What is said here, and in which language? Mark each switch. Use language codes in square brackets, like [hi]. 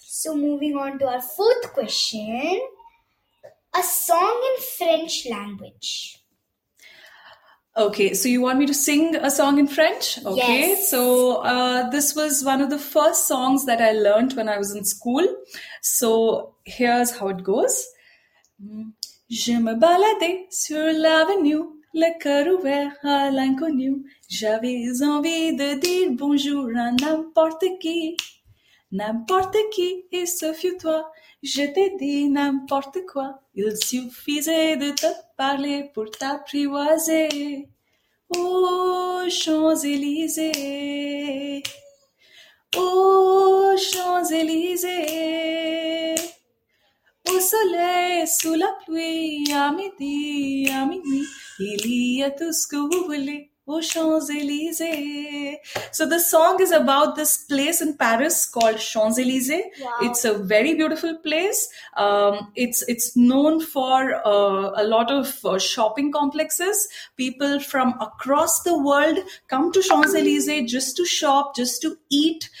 [en] So moving on to our fourth question. A song in French language. Okay, so you want me to sing a song in French? Okay, yes. So this was one of the first songs that I learned when I was in school. So here's how it goes. [fr] Je me baladais sur l'avenue, le cœur ouvert à l'inconnu. J'avais envie de dire bonjour à n'importe qui. N'importe qui, et ce fut toi. Je t'ai dit n'importe quoi. Il suffisait de te parler pour t'apprivoiser aux Champs-Élysées. Aux Champs-Élysées. Au soleil, sous la pluie, à midi, à minuit. Il y a tout ce que vous voulez aux Champs-Élysées. [en] So the song is about this place in Paris called Champs-Élysées. Wow. It's a very beautiful place. It's known for a lot of shopping complexes. People from across the world come to Champs-Élysées just to shop, just to eat.